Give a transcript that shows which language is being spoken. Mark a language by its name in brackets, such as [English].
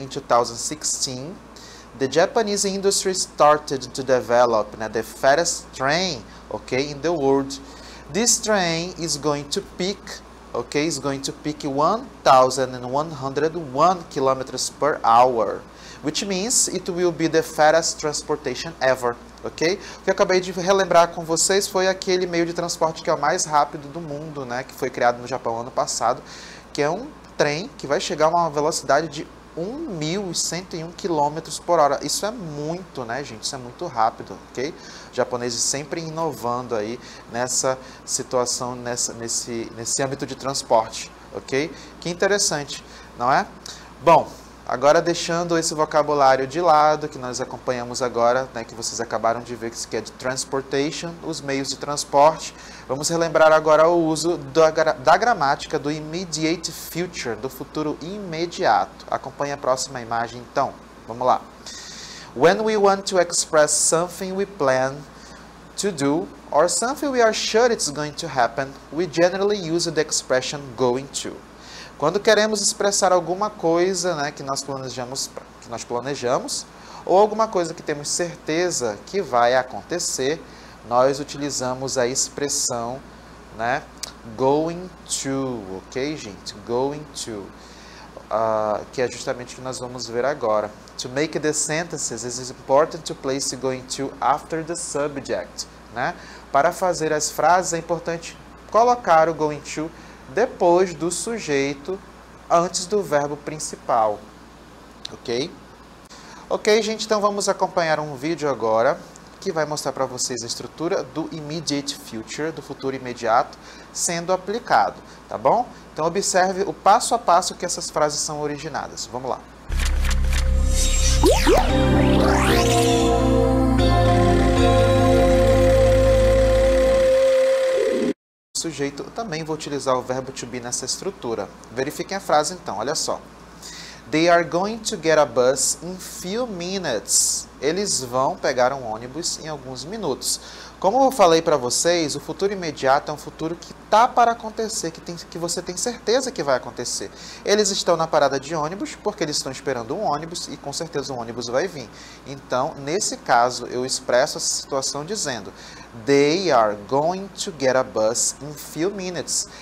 [English] In 2016? The Japanese industry started to develop, né, the fastest train, okay, in the world. This train is going to peak, okay, is going to peak 1,101 kilometers per hour, which means it will be the fastest transportation ever, okay? [Portuguese] O que eu acabei de relembrar com vocês foi aquele meio de transporte que é o mais rápido do mundo, né, que foi criado no Japão ano passado, que é um trem que vai chegar a uma velocidade de 1.101 quilômetros por hora. Isso é muito, né, gente? Isso é muito rápido, ok? Japoneses sempre inovando aí nessa situação, nesse âmbito de transporte, ok? Que interessante, não é? Bom, agora deixando esse vocabulário de lado, que nós acompanhamos agora, né, que vocês acabaram de ver, que isso aqui é de transportation, os meios de transporte, vamos relembrar agora o uso da gramática do immediate future, do futuro imediato. Acompanhe a próxima imagem, então. Vamos lá. [English] When we want to express something we plan to do, or something we are sure it's going to happen, we generally use the expression going to. [Portuguese] Quando queremos expressar alguma coisa, né, que nós planejamos, ou alguma coisa que temos certeza que vai acontecer, nós utilizamos a expressão, né, going to, ok, gente? Going to, que é justamente o que nós vamos ver agora. [English] To make the sentences, it is important to place going to after the subject, né? [Portuguese] Para fazer as frases, é importante colocar o going to depois do sujeito, antes do verbo principal, ok? Ok, gente, então vamos acompanhar um vídeo agora que vai mostrar para vocês a estrutura do immediate future, do futuro imediato, sendo aplicado, tá bom? Então observe o passo a passo que essas frases são originadas. Vamos lá. Sujeito, eu também vou utilizar o verbo to be nessa estrutura. Verifiquem a frase então, olha só. [English] They are going to get a bus in few minutes. [Portuguese] Eles vão pegar um ônibus em alguns minutos. Como eu falei para vocês, o futuro imediato é um futuro que está para acontecer, que você tem certeza que vai acontecer. Eles estão na parada de ônibus porque eles estão esperando um ônibus e com certeza um ônibus vai vir. Então, nesse caso, eu expresso essa situação dizendo [English] they are going to get a bus in few minutes.